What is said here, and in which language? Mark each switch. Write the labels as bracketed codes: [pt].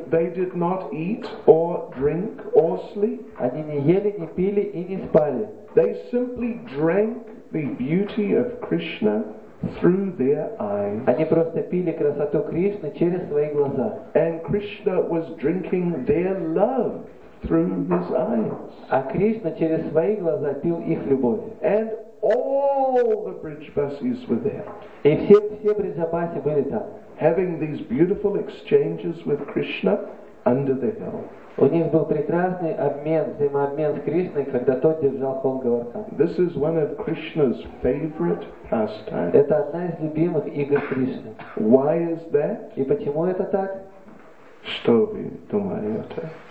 [en] They did not eat or drink or sleep. [ru] Они не ели, не пили и не спали. [en] They simply drank the beauty of Krishna through their eyes. [ru] Они просто пили красоту Кришны через свои глаза. [en] And Krishna was drinking their love through his eyes. [ru] А Кришна через свои глаза пил их любовь. [en] And all the Brijbasis were there. [ru] И все Бриджабаси были там. [en] Having these beautiful exchanges with Krishna under the hill. [ru] У них был прекрасный обмен, взаимообмен с Кришной, когда тот держал холм Говардхана. [en] This is one of Krishna's favorite pastimes. [ru] Это одна из любимых игр Кришны. [en] Why is that? [ru] И почему это так? Что вы думаете?